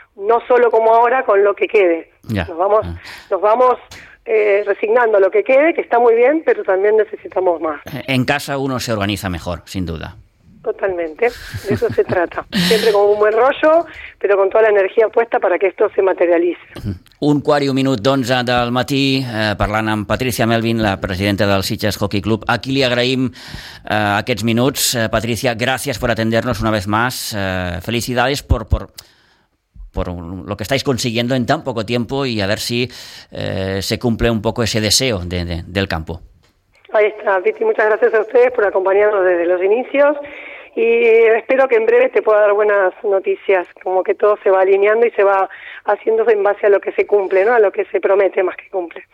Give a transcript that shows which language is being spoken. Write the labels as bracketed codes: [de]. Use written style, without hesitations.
[es] No solo como ahora, con lo que quede. Ya. Nos vamos resignando a lo que quede, que está muy bien, pero también necesitamos más. En casa uno se organiza mejor, sin duda. Totalmente, de eso se trata. Siempre con un buen rollo, pero con toda la energía puesta para que esto se materialice. [ca] Un quart i un minut d'onze del matí, parlant amb Patricia Melvin, la presidenta del Sitges Hockey Club. Aquí li agraïm aquests minuts. Patricia, gràcies per [es] atendernos una vez más. Felicidades por lo que estáis consiguiendo en tan poco tiempo y a ver si se cumple un poco ese deseo del campo. Ahí está, Viti, muchas gracias a ustedes por acompañarnos desde los inicios y espero que en breve te pueda dar buenas noticias, como que todo se va alineando y se va haciéndose en base a lo que se cumple, ¿no? A lo que se promete más que cumple.